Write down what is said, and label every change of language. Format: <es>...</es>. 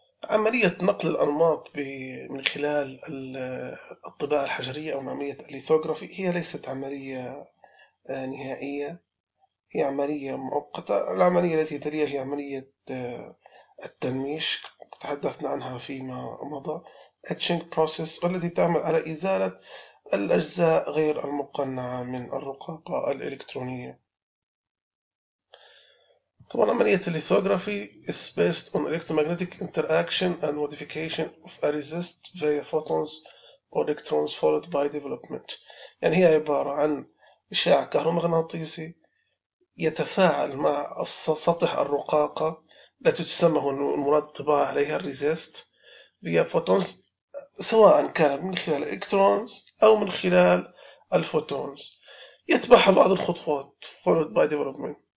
<ar>عملية نقل الأنماط من خلال الطباعة الحجرية أو عملية الليثوغرافي هي ليست عملية نهائية، هي عملية مؤقتة. العملية التي تليها هي عملية التنميش، تحدثنا عنها فيما مضى، etching process، والتي تعمل على إزالة الأجزاء غير المقنعة من الرقاقة الإلكترونية. طبعا عملية الليثوغرافي</ar> <en>is based on electromagnetic interaction and modification of a resist via photons or electrons followed by development.</en> <ar>يعني هي عبارة عن إشعاع كهرومغناطيسي يتفاعل مع سطح الرقاقة التي تسمى هنا المراد الطباعة عليها الريزيست</ar> <en>via photons،</en> <ar>سواء كان من خلال الإلكترونز أو من خلال الفوتونز، يتبعها بعض الخطوات</ar> <en>followed by development.</en>